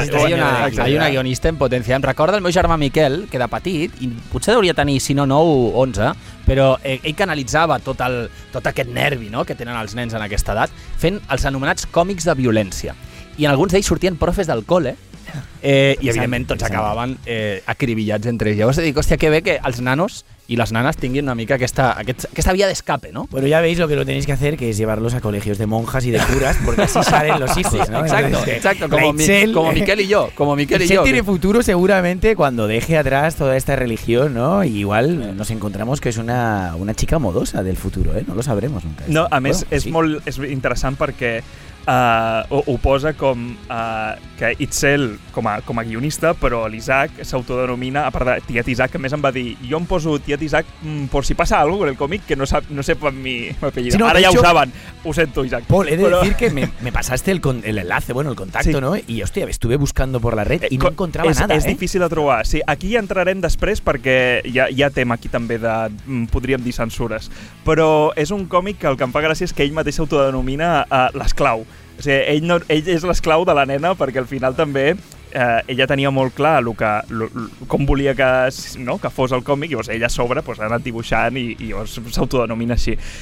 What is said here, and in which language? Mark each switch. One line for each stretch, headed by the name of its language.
Catalan: Hi ha una guionista en potència. Em recorda el meu germà Miquel, que de petit, i potser hauria tenir, si no 9 o 11, però ell canalitzava tot aquest nervi, no?, que tenen els nens en aquesta edat, fent els anomenats còmics de violència. I en alguns d'ells sortien profes del col·le, i evidentment tots acabaven acribillats entre ells. Llavors he dit, hòstia, que bé que els nanos i les nanes tinguin una mica aquesta via d'escape, no?
Spanish: Bueno, ya veis lo que lo tenéis que hacer, que es llevarlos a colegios de monjas y de curas, porque así salen los hijos, ¿no? Exacto, como Miquel y yo. Tiene futuro seguramente cuando deje atrás toda esta religión, ¿no? Y igual nos encontramos que es una chica modosa del futuro, ¿eh? No lo sabremos nunca.
Catalan: No, a més, bueno, és interessant perquè... ho posa com que Itzel com a guionista, però l'Isaac s'autodenomina, a part de tiet Isaac, que a més em va dir, jo em poso tiet Isaac per si passa alguna cosa en el còmic, que no sé per mi m'apellida. Sí, no, ara ja ho saben. Ho sento, Isaac.
Spanish: Paul,
Catalan: he de dir que
Spanish: me pasaste el enlace, bueno,
Catalan: el contacte, sí.
Spanish: No? I, hòstia, estuve buscando por la red i no encontraba nada.
Catalan: És difícil de trobar. Sí, aquí entrarem després perquè hi ha tema aquí també de, podríem dir, censures. Però és un còmic que el que em fa gràcia és que ell mateix s'autodenomina l'esclau. O sigui, ell és l'esclau de la nena perquè al final també ella tenia molt clar com volia que, no, que fos el còmic, i llavors ella a sobre pues, ha anat dibuixant i llavors s'autodenomina així.